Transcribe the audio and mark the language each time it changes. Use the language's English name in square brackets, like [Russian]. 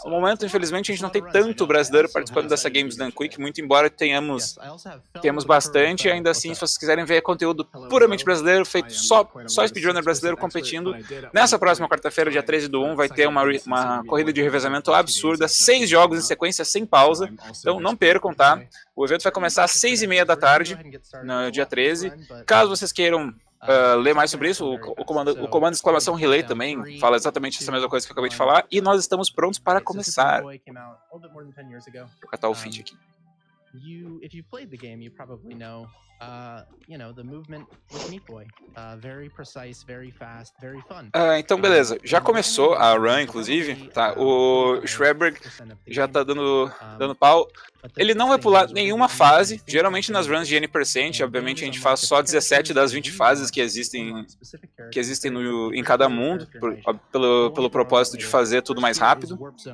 [Portuguese] No momento, infelizmente, a gente não tem tanto brasileiro participando dessa Games Done Quick, muito embora temos bastante, ainda assim, se vocês quiserem ver conteúdo puramente brasileiro, feito só speedrunner brasileiro competindo, nessa próxima quarta-feira, dia 13 do 1, vai ter uma corrida de revezamento absurda, 6 jogos em sequência, sem pausa, então não percam, tá? O evento vai começar às 6h30 da tarde, no dia 13, caso vocês queiram ler mais sobre isso, o comando exclamação relay também fala exatamente essa mesma coisa que eu acabei de falar, e nós estamos prontos para começar. Vou catar o feed aqui. [English] If you played the game, you probably know, you know, the movement with Meat Boy, very precise, very fast, very fun. [Portuguese] Então beleza, já começou a run, inclusive, tá? O Schreiberg já tá dando pau. Ele não vai pular nenhuma fase, geralmente nas runs de N%, obviamente a gente faz só 17 das 20 fases que existem em cada mundo, pelo propósito de fazer tudo mais rápido.